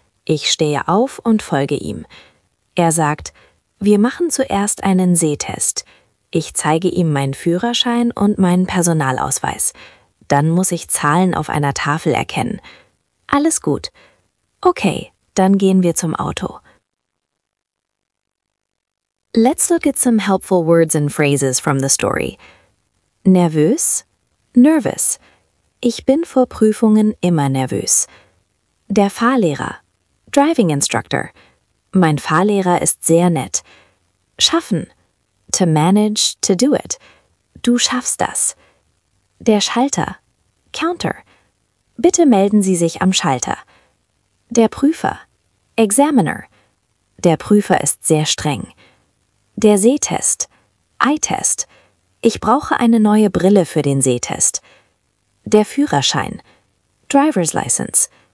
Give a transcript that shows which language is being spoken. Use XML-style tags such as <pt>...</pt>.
<de>Ich stehe auf und folge ihm. Er sagt, wir machen zuerst einen Sehtest. Ich zeige ihm meinen Führerschein und meinen Personalausweis. Dann muss ich Zahlen auf einer Tafel erkennen. Alles gut. Okay, dann gehen wir zum Auto.</de> <en>Let's look at some helpful words and phrases from the story.</en> <de>Nervös, nervous. Ich bin vor Prüfungen immer nervös. Der Fahrlehrer,</de> <en>driving instructor.</en> <de>Mein Fahrlehrer ist sehr nett.</de> <en>Schaffen, to manage, to do it.</en> <de>Du schaffst das. Der Schalter, counter. Bitte melden Sie sich am Schalter. Der Prüfer, examiner. Der Prüfer ist sehr streng. Der Sehtest,</de> <en>Eye Test.</en> <de>Ich brauche eine neue Brille für den Sehtest. Der Führerschein,</de> <en>Driver's License.</en>